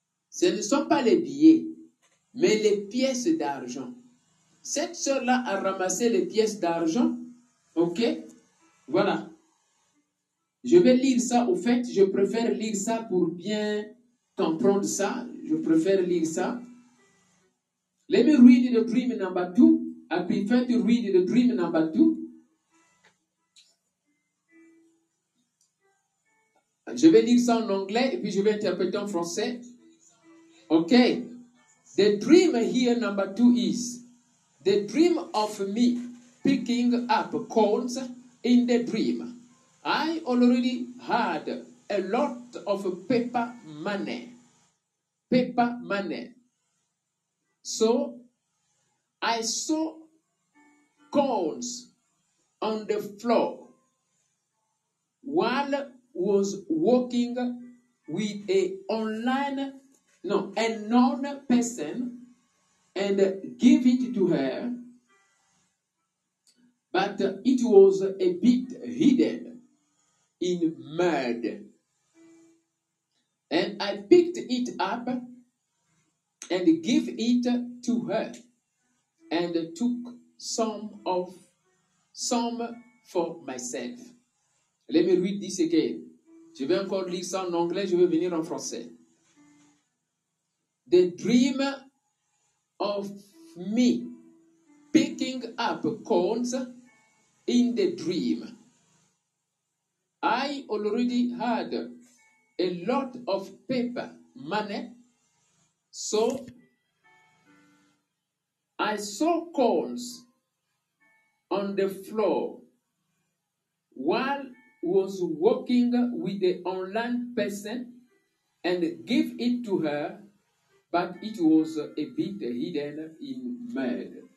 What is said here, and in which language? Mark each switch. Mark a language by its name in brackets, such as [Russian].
[French] Ce ne sont pas les billets, mais les pièces d'argent. Cette sœur-là a ramassé les pièces d'argent. Ok? Voilà. Je vais lire ça, au fait, je préfère lire ça pour bien comprendre ça. Je préfère lire ça. [English] Let me read the dream number two. I prefer to read the dream number two. [French] Je vais lire ça en anglais et puis je vais interpréter en français. Ok. [English] The dream here number two is the dream of me picking up coins in the dream. I already had a lot of paper money. Paper money. So, I saw coins on the floor while was walking with a known person and give it to her. But it was a bit hidden in mud, and I picked it up and gave it to her and took some for myself. Let me read this again. [French] Je vais encore lire ça en anglais, je vais venir en français. [English] The dream of me picking up coins in the dream. I already had a lot of paper money, so I saw coins on the floor while was walking with the online person and gave it to her, but it was a bit hidden in mud.